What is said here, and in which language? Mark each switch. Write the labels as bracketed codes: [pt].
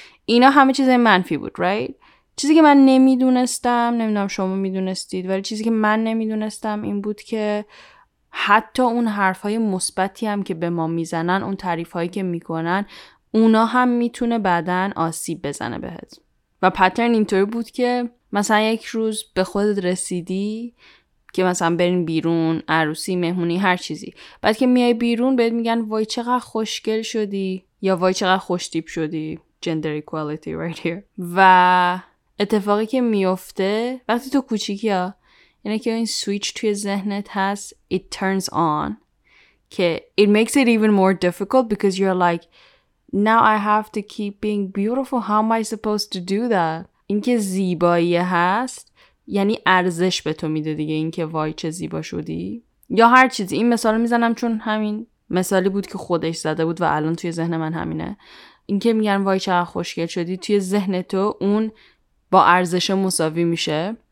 [fa] اینا همه چیز منفی بود right؟ چیزی که من نمیدونستم، نمیدونم شما میدونستید، ولی چیزی که من نمیدونستم این بود که حتی اون حرفای مثبتی هم که به ما میزنن، اون تعریفایی که میکنن، اونا هم میتونه بعداً آسیب بزنه بهت. و پترن اینطوری بود که مثلا یک روز به خودت رسیدی که مثلا برین بیرون، عروسی، مهمونی، هر چیزی، بعد که میای بیرون بهت میگن وای چقدر خوشگل شدی، یا وای چقدر خوشتیپ شدی، [en] gender equality right here. [fa] و اتفاقی که میفته وقتی تو کوچیکی ها اینه که این سویچ توی ذهنت هست، [en] it turns on، [fa] که [en] it makes it even more difficult because you're like now I have to keep being beautiful. How am I supposed to do that؟ [fa] این که زیبایی هست یعنی ارزش به تو میده دیگه، این که وای چه زیبا شدی، یا هر چیزی. این مثال میزنم چون همین مثالی بود که خودش زده بود و الان توی ذهن من همینه، این که میگن وای چه خوشگل شدی، توی ذهن تو اون با ارزش مساوی میشه.